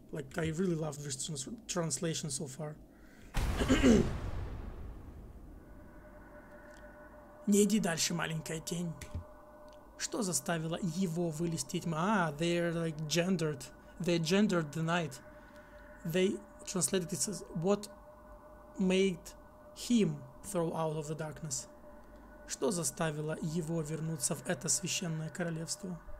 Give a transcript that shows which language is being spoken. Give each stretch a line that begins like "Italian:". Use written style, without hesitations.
English: Like, I really love this translation so far.
Russian: Не иди дальше, маленькая тень. Что заставило его вылезти тьма?
English: Ah, they're like gendered. They gendered the night. They translated it as what made him throw out of the darkness.
Russian: Что заставило его вернуться в это священное королевство?